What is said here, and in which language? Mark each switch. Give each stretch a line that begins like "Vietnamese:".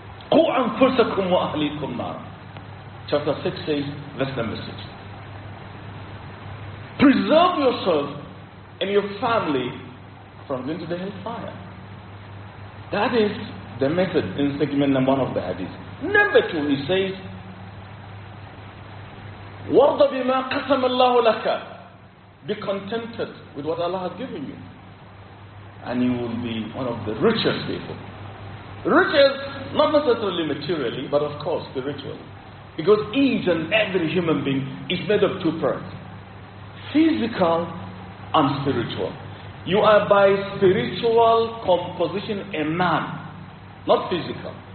Arabic: Qu anfusakum wa ahlikum nar.
English: Chapter 6 says, verse number 6. Preserve yourself and your family from going to the hellfire. That is the method in segment number 1 of the hadith. Number 2, he says,
Arabic: وَرْضَ بِمَا قَسَمَ اللَّهُ لَكَ.
English: Be contented with what Allah has given you. And you will be one of the richest people. Riches, not necessarily materially, but of course spiritually. Because each and every human being is made of two parts. Physical and spiritual. You are by spiritual composition a man, not physical.